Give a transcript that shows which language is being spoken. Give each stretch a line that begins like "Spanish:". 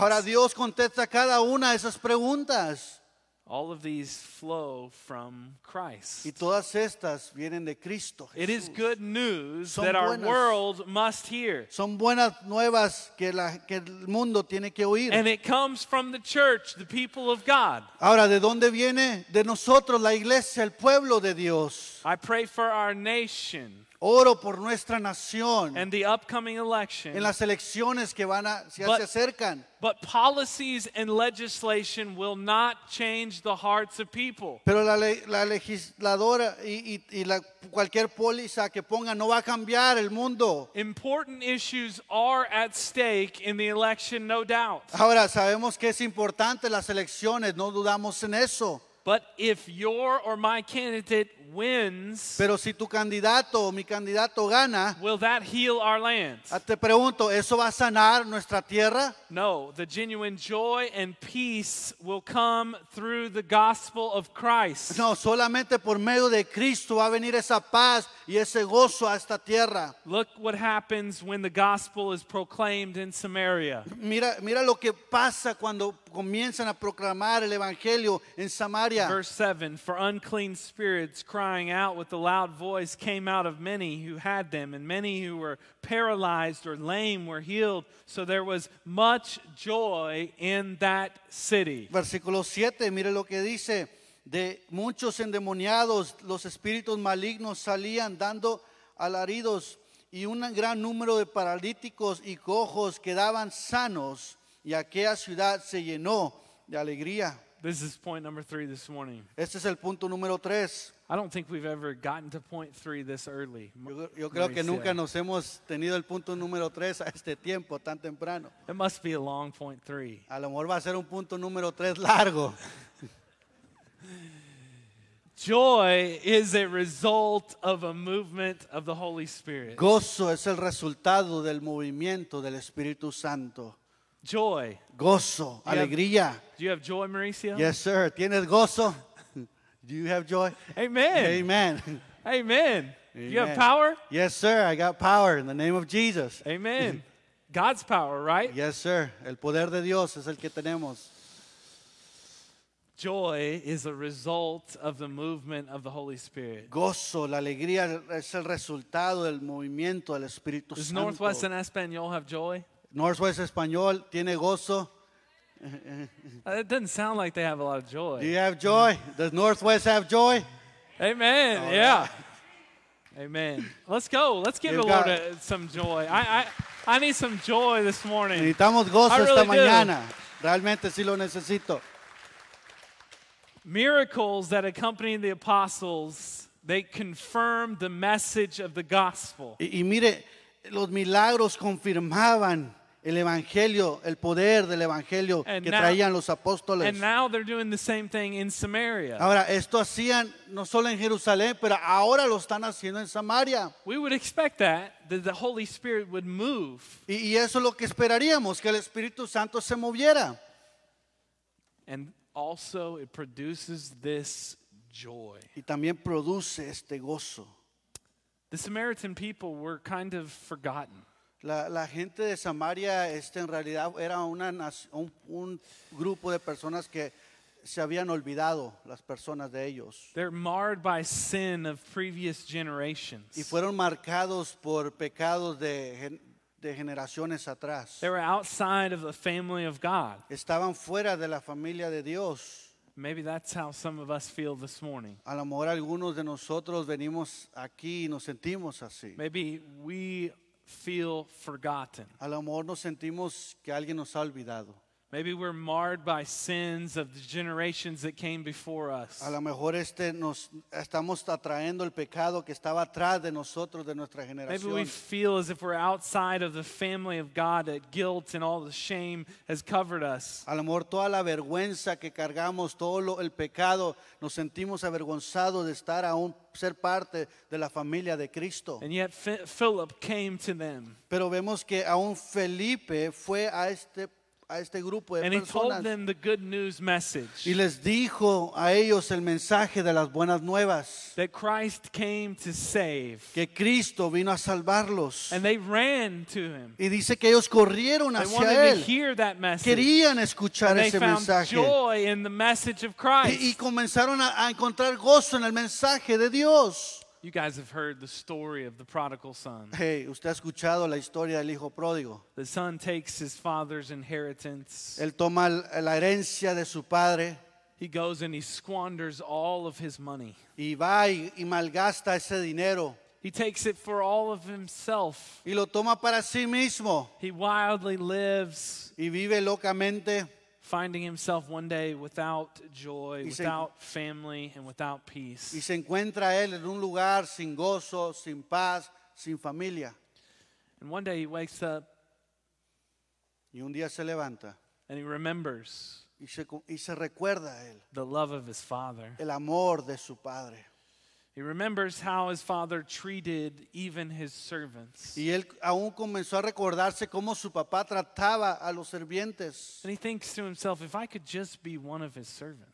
Spanish: Ahora Dios contesta cada una de esas preguntas.
English: All of these flow from Christ.
Spanish: Y todas estas vienen de Cristo Jesús.
English: It is good news
Spanish: son buenas,
English: our world must hear.
Spanish: Son buenas nuevas que el mundo tiene que oír.
English: And it comes from the church, the people of God.
Spanish: Ahora, ¿de dónde viene? De nosotros, la iglesia, el pueblo de Dios.
English: I pray for our nation.
Spanish: Oro por nuestra nación.
English: And the upcoming election.
Spanish: En las elecciones que van a si se acercan.
English: But policies and legislation will not change the hearts of people.
Spanish: Pero la legisladora y la cualquier póliza que ponga no va a cambiar el mundo.
English: Important issues are at stake in the election, no doubt.
Spanish: Ahora sabemos que es importante las elecciones, no dudamos en eso.
English: But if your or my candidate wins,
Spanish: pero si tu candidato o mi candidato gana,
English: will that heal our land?
Spanish: Te pregunto, ¿eso va a sanar nuestra tierra?
English: No, the genuine joy and peace will come through the gospel of Christ.
Spanish: No, solamente por medio de Cristo va a venir esa paz y ese gozo a esta tierra.
English: Look what happens when the gospel is proclaimed in Samaria.
Spanish: Mira lo que pasa cuando comienzan a proclamar el evangelio en Samaria.
English: Verse 7, for unclean spirits crying out with a loud voice came out of many who had them, and many who were paralyzed or lame were healed. So there was much joy in that city.
Spanish: Versículo 7, mire lo que dice. De muchos endemoniados, los espíritus malignos salían dando alaridos, y un gran número de paralíticos y cojos quedaban sanos, y aquella ciudad se llenó de alegría.
English: This is point number 3 this morning.
Spanish: Este es el punto número 3.
English: I don't think we've ever gotten to point 3 this early.
Spanish: Yo creo que nunca nos hemos tenido el punto número 3 a este tiempo tan temprano.
English: It must be a long point 3.
Spanish: A lo mejor va a ser un punto número 3 largo.
English: Joy is a result of a movement of the Holy Spirit.
Spanish: Gozo es el resultado del movimiento del Espíritu Santo.
English: Joy.
Spanish: Gozo, alegría.
English: Do you have joy, Mauricio? Yes, sir.
Spanish: ¿Tienes gozo?
English: Do you have joy? Amen. Amen. Amen. Do you have power? Yes, sir. I got power in the name of Jesus. Amen. God's power, right? Yes, sir.
Spanish: El poder de Dios es el que tenemos.
English: Joy is a result of the movement of the Holy Spirit.
Spanish: Gozo, la alegría es el resultado del movimiento del Espíritu Santo.
English: Does Northwest and Español have joy?
Spanish: Northwest Español tiene gozo.
English: It doesn't sound like they have a lot of joy. Do you have joy? Does Northwest have joy? Amen. Oh, yeah. Amen. Let's go. Let's give the Lord some joy. I need some joy this morning.
Spanish: Necesitamos gozo
English: really
Spanish: esta
English: do.
Spanish: Mañana. Realmente sí lo necesito.
English: Miracles that accompanied the apostles, they confirmed the message of the gospel.
Spanish: Y mire, los milagros confirmaban el evangelio, el poder del evangelio
English: and
Spanish: que
English: now,
Spanish: traían los apóstoles.
English: And now they're doing the same thing in Samaria.
Spanish: Ahora, esto hacían no solo en Jerusalén, pero ahora lo están haciendo en Samaria.
English: We would expect that, that the Holy Spirit would move.
Spanish: Y eso es lo que esperaríamos, que el Espíritu Santo se moviera.
English: And also, it produces this joy.
Spanish: Y también produce este gozo.
English: The Samaritan people were kind of forgotten.
Spanish: La gente de Samaria, en realidad, era un grupo de personas que se habían olvidado, las personas de ellos.
English: They're marred by sin of previous generations.
Spanish: Y fueron marcados por pecados de generaciones atrás.
English: They were outside of the family of God.
Spanish: Estaban fuera de la familia de Dios.
English: Maybe that's how some of us feel this morning.
Spanish: A lo mejor algunos de nosotros venimos aquí y nos sentimos así.
English: Maybe we feel forgotten.
Spanish: A lo mejor nos sentimos que alguien nos ha olvidado.
English: Maybe we're marred by sins of the generations that came before us.
Spanish: A lo mejor nos estamos atrayendo el pecado que estaba atrás de nosotros, de nuestra generación.
English: Maybe we feel as if we're outside of the family of God, that guilt and all the shame has covered us.
Spanish: A lo mejor toda la vergüenza que cargamos, todo el pecado, nos sentimos avergonzados de estar aún ser parte de la familia de Cristo.
English: And yet Philip came to them.
Spanish: Pero vemos que aún Felipe fue a este grupo de
English: and
Spanish: personas.
English: He told them the good news message.
Spanish: Y les dijo a ellos el mensaje de las buenas nuevas.
English: That Christ came to save.
Spanish: Que Cristo vino a salvarlos.
English: And they ran to him.
Spanish: Y dice que ellos corrieron
English: they
Spanish: hacia
English: wanted
Spanish: él.
English: To hear that message.
Spanish: Querían escuchar
English: and
Spanish: ese
English: they found
Spanish: mensaje.
English: Joy in the message of Christ.
Spanish: Y comenzaron a encontrar gozo en el mensaje de Dios.
English: You guys have heard the story of the prodigal son.
Spanish: Hey, usted ha escuchado la historia del hijo pródigo.
English: The son takes his father's inheritance.
Spanish: Él toma la herencia de su padre.
English: He goes and he squanders all of his money.
Spanish: Y va y malgasta ese dinero.
English: He takes it for all of himself.
Spanish: Y lo toma para sí mismo.
English: He wildly lives.
Spanish: Y vive locamente.
English: Finding himself one day without joy, without family, and without peace.
Spanish: Y se encuentra él en un lugar sin gozo, sin paz, sin familia.
English: And one day he wakes up.
Spanish: Y un día se levanta.
English: And he remembers.
Spanish: Y se recuerda él.
English: The love of his father.
Spanish: El amor de su padre.
English: He remembers how his father treated even his servants.
Spanish: Y él aún comenzó a recordarse cómo su papá trataba a los sirvientes.
English: And he thinks to himself, if I could just be one of his servants.